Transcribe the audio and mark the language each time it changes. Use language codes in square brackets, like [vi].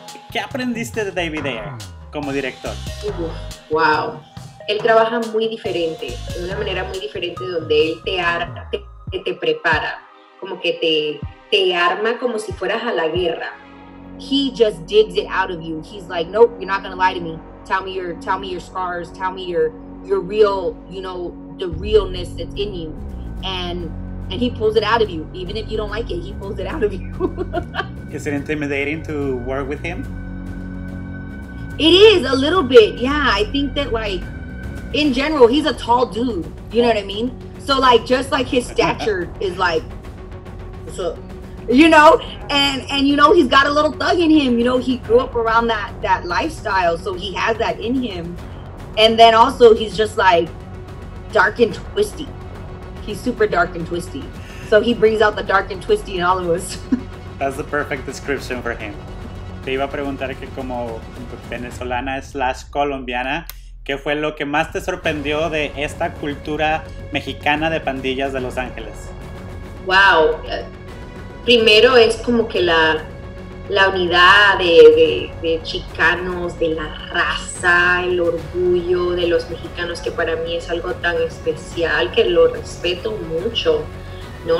[es] ¿Qué aprendiste de David Ayer como director? Wow. Él trabaja muy diferente, de una manera muy diferente, donde él te arma, te prepara, como que te arma como si fueras a la guerra. [en] He just digs it out of you. He's like, nope, you're not going to lie to me. Tell me your scars. Tell me your real, you know, the realness that's in you, and he pulls it out of you. Even if you don't like it, he pulls it out of you. Is it intimidating to work with him? It is a little bit, yeah. I think that, like, in general, he's a tall dude, you know what I mean? So, like, just like his stature is like, so, you know, and you know, he's got a little thug in him, you know, he grew up around that lifestyle, so he has that in him. And then also, he's just like dark and twisty. He's super dark and twisty. So he brings out the dark and twisty in all of us. That's the perfect description for him. [es] Te iba a preguntar que como venezolana / colombiana, ¿qué fue lo que más te sorprendió de esta cultura mexicana de pandillas de Los Ángeles? Wow. Primero es como que la unidad de chicanos, de la raza, el orgullo de los mexicanos, que para mí es algo tan especial, que lo respeto mucho, ¿no?